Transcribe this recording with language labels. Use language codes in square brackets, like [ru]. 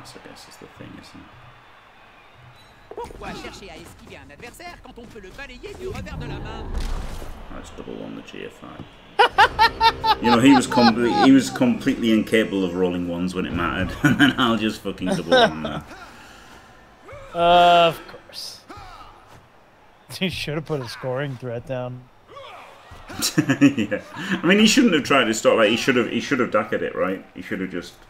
[en] pass, I guess, is the thing, isn't it? [fr] Pourquoi chercher à esquiver un adversaire quand on peut le balayer du revers de la main? [en] That's double on the GFI. You know, he was completely incapable of rolling ones when it mattered, and then I'll just fucking double on that. Of course. He should have put a scoring threat down. Yeah, I mean, he shouldn't have tried to stop. Like, he should have dacked it, right? He should have just.